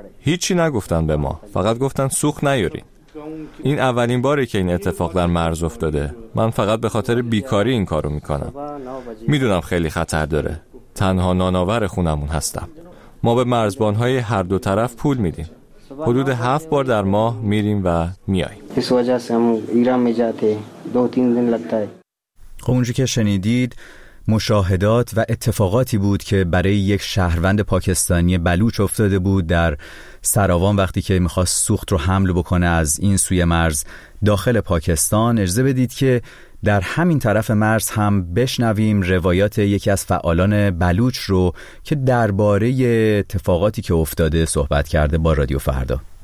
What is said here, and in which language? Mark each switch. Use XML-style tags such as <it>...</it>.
<fa>هیچی نگفتن به ما، فقط گفتن سوخ نیارین. این اولین باره که این اتفاق در مرز افتاده. من فقط به خاطر بیکاری این کارو میکنم. میدونم خیلی خطر داره. تنها ناناور خونمون هستم. ما به مرزبانهای هر دو طرف پول میدیم. حدود 7 بار در ماه میریم و میاییم.</fa> <ur>اس وجہ سے ہم ایران میں جاتے 2-3 دن لگتا ہے.</ur> <fa>خب اونجوری که شنیدید مشاهدات و اتفاقاتی بود که برای یک شهروند پاکستانی بلوچ افتاده بود در سراوان وقتی که میخواست سوخت رو حمل بکنه از این سوی مرز داخل پاکستان. اجازه بدید که در همین طرف مرز هم بشنویم روایات یکی از فعالان بلوچ رو که درباره اتفاقاتی که افتاده صحبت کرده با رادیو فردا.</fa>